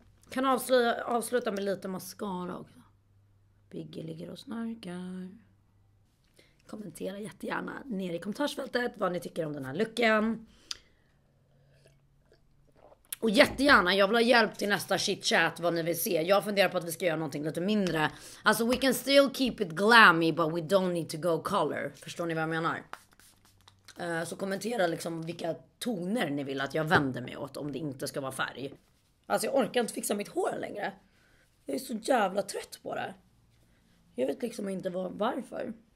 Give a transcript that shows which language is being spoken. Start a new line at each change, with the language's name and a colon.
Swedish: Kan avsluta med lite mascara också. Bigge ligger och snarkar. Kommentera jättegärna ner i kommentarsfältet vad ni tycker om den här looken. Och jättegärna, jag vill ha hjälp till nästa chitchat vad ni vill se. Jag funderar på att vi ska göra någonting lite mindre.
English: Alltså we can still keep it glammy but we don't need to go color.
Swedish: Förstår ni vad jag menar? Så kommentera liksom vilka toner ni vill att jag vänder mig åt om det inte ska vara färg. Alltså jag orkar inte fixa mitt hår längre. Jag är så jävla trött på det. Jag vet liksom inte varför.